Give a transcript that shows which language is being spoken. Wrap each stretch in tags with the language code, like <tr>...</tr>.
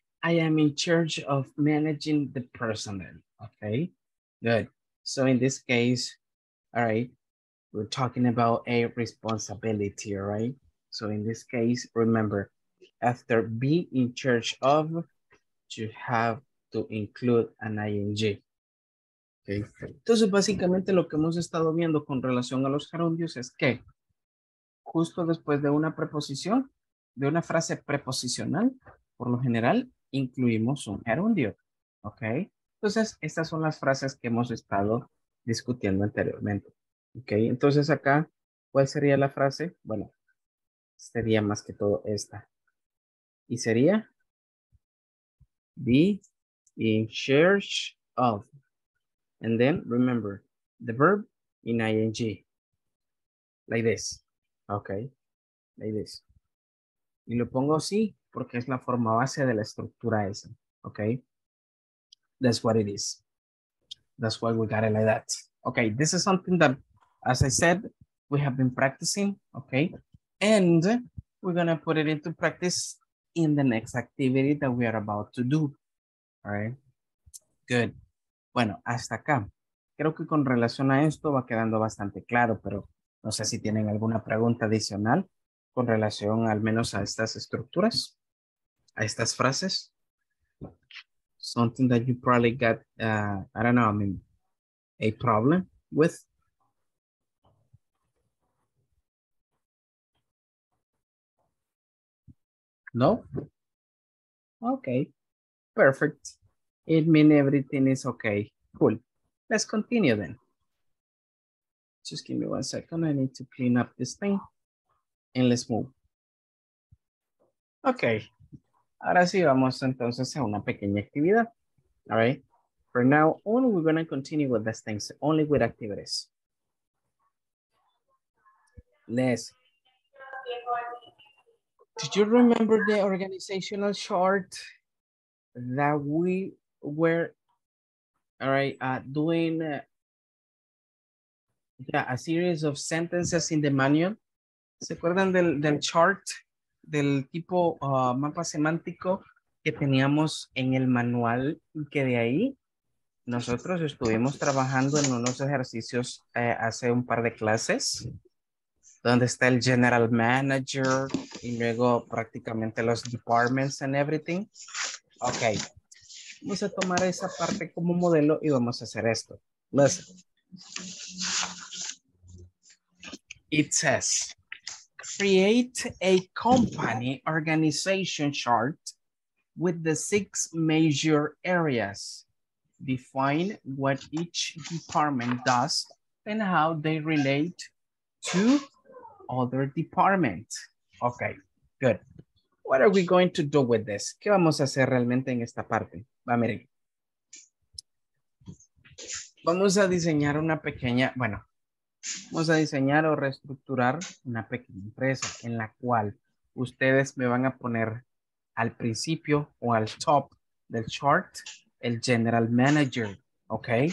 <en>I am in charge of managing the personnel. Okay, good. So in this case, all right, we're talking about a responsibility, all right? So in this case, remember, after be in charge of, you have to include an ing. Okay.</en> <es>Entonces, básicamente lo que hemos estado viendo con relación a los gerundios es que justo después de una preposición, de una frase preposicional, por lo general, incluimos un gerundio, ¿ok? Entonces, estas son las frases que hemos estado discutiendo anteriormente, ¿ok? Entonces, acá, ¿cuál sería la frase? Bueno, sería más que todo esta. Y sería,</es> <en>Be in charge of. And then remember the verb in ing. Like this. Okay. Like this.</en> <es>Y lo pongo así porque es la forma base de la estructura esa.</es> <en>Okay. That's what it is. That's why we got it like that. Okay. This is something that, as I said, we have been practicing. Okay. And we're going to put it into practice in the next activity that we are about to do. All right. Good.</en> <es>Bueno, hasta acá. Creo que con relación a esto va quedando bastante claro, pero no sé si tienen alguna pregunta adicional con relación al menos a estas estructuras, a estas frases.</es> <en>Something that you probably got, a problem with. No? Okay, perfect. It means everything is okay. Cool. Let's continue then. Just give me one second. I need to clean up this thing and let's move. Okay.</en> <es>Ahora sí, vamos entonces a una pequeña actividad.</es> <en>All right. For now on, we're going to continue with these things, only with activities.</en> <es>Les.</es> <en>Did you remember the organizational chart that we were, all right, doing a series of sentences in the manual?</en> <es>¿Se acuerdan del chart del tipo mapa semántico que teníamos en el manual y que de ahí nosotros estuvimos trabajando en unos ejercicios hace un par de clases, donde está el general manager y luego prácticamente los departments</es> <en>and everything?</en> <es>Okay, vamos a tomar esa parte como modelo y vamos a hacer esto.</es> <en>Listen. It says, create a company organization chart with the six major areas. Define what each department does and how they relate to other departments. Okay, good. What are we going to do with this?</en> <es>¿Qué vamos a hacer realmente en esta parte? Va, miren. Vamos a diseñar una pequeña, bueno, vamos a diseñar o reestructurar una pequeña empresa en la cual ustedes me van a poner al principio o al top del chart el general manager, ¿ok?</es>